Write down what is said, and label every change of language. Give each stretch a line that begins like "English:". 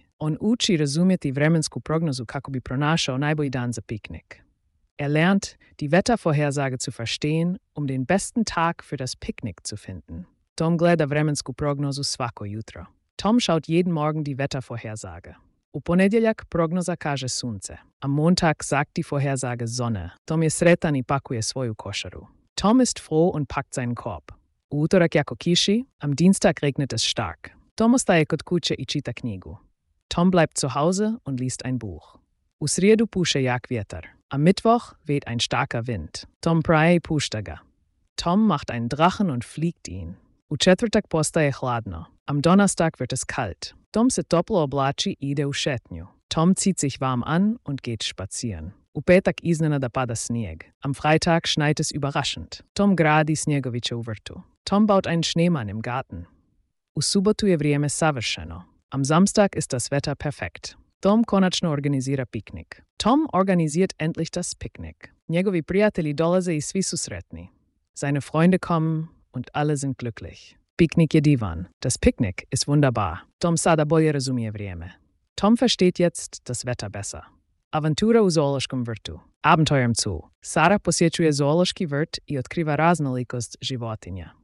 Croatian: On uči razumjeti vremensku prognozu kako bi pronašao najbolji dan za piknik.
German: Er lernt, die Wettervorhersage zu verstehen, um den besten Tag für das Picknick zu finden.
Croatian: Tom gleda vremensku prognozu svako jutro.
German: Tom schaut jeden Morgen die Wettervorhersage.
Croatian: U ponedjeljak prognoza kaže sunce.
German: Am Montag sagt die Vorhersage Sonne.
Croatian: Tom je sretan i pakuje svoju košaru.
German: Tom ist froh und packt seinen Korb.
Croatian: U utorak jako kiši,
German: am Dienstag regnet es stark.
Croatian: Tom ostaje kod kuće i čita knjigu.
German: Tom bleibt zu Hause und liest ein Buch.
Croatian: U srijedu puše jak vjetar.
German: Am Mittwoch weht ein starker Wind.
Croatian: Tom praje i pušta ga.
German: Tom macht einen Drachen und fliegt ihn. U četvrtak postaje hladno. Am Donnerstag wird es kalt.
Croatian: Tom se toplo oblači i ide u šetnju.
German: Tom zieht sich warm an und geht spazieren.
Croatian: U petak iznenada pada snijeg.
German: Am Freitag schneit es überraschend.
Croatian: Tom gradi snjegoviće u vrtu.
German: Tom baut einen Schneemann im Garten.
Croatian: U subotu je vrijeme savršeno.
German: Am Samstag ist das Wetter perfekt.
Croatian: Tom konačno organizira piknik.
German: Tom organisiert endlich das Picknick.
Croatian: Njegovi prijatelji dolaze i svi su sretni.
German: Seine Freunde kommen und alle sind glücklich.
Croatian: Picknick je divan.
German: Das Picknick ist wunderbar.
Croatian: Tom sada bolje razumije vrijeme.
German: Tom versteht jetzt das Wetter besser.
Croatian: Aventura u zoološkom vrtu.
German: Abenteuer im Zoo.
Croatian: Sara posjećuje zoološki vrt i otkriva raznolikost životinja.